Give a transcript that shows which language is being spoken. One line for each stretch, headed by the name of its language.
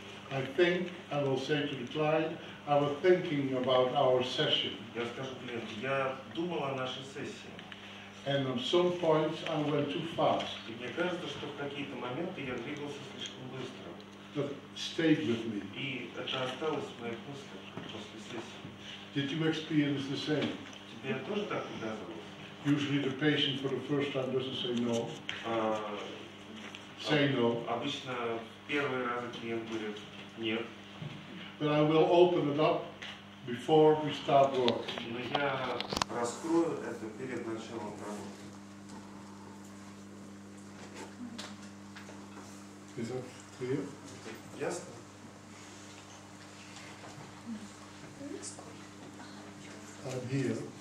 English: I think I will say to the client, I was thinking about our session.
Russian: Я расскажу клиенту, я думал о нашей сессии.
English: And on some points I went too fast.
Russian: И мне кажется, что в какие-то моменты я двигался слишком быстро.
English: That stayed with me.
Russian: И это осталось в моих мыслях после сессии.
English: Did you experience the same?
Russian: Тебе тоже так удалось?
English: Usually the patient for the first time doesn't say no. Say no.
Russian: Обычно первый раз клиент говорит нет.
English: But I will open it up before we start work.
Russian: Но я раскрою это перед началом работы.
English: Is that clear?
Russian: Ясно.
English: I'm here.